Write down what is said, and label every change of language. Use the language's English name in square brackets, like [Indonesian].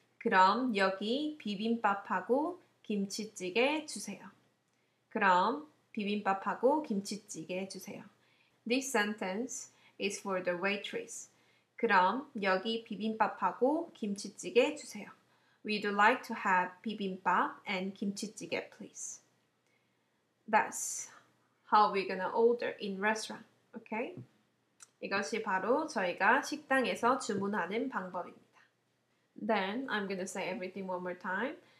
[Korean] 그럼 여기 비빔밥하고 김치찌개 주세요. 그럼 비빔밥하고 김치찌개 주세요. [English] This sentence is for the waitress. [Korean] 그럼 여기 비빔밥하고 김치찌개 주세요. [English] We'd like to have 비빔밥 and 김치찌개, please. That's how we're gonna order in restaurant, okay? [Korean] 이것이 바로 저희가 식당에서 주문하는 방법입니다. [English] Then I'm gonna say everything one more time.